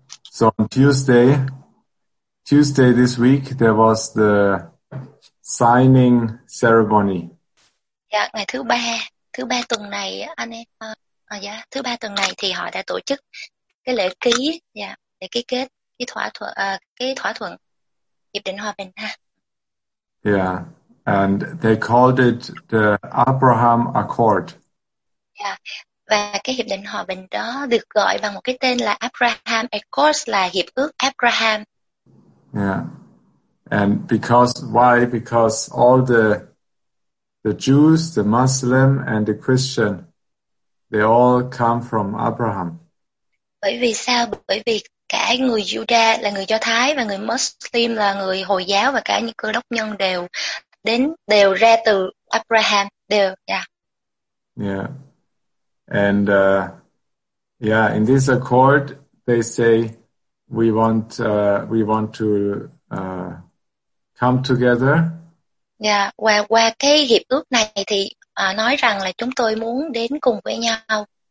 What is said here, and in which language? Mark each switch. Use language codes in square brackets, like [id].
[en] So on Tuesday this week, there was the signing ceremony. [vi] Dạ, ngày thứ ba tuần này anh em, thứ ba tuần này thì họ đã tổ chức cái lễ ký, để ký kết cái thỏa thuận hiệp định hòa bình ha. [en] Yeah, and they called it the Abraham Accord. [vi] Và cái hiệp định hòa bình đó được gọi bằng một cái tên là Abraham Accords, là hiệp ước Abraham. [en] And because all the Jews, the Muslim and the Christian, they all come from Abraham. [vi] Bởi vì sao? Bởi vì cả người Judah là người Do Thái và người Muslim là người Hồi giáo và cả những cơ đốc nhân đều ra từ Abraham đều. [en] In this accord they say we want to come together. [vi] Qua cái hiệp ước này thì nói rằng là chúng tôi muốn đến cùng với nhau.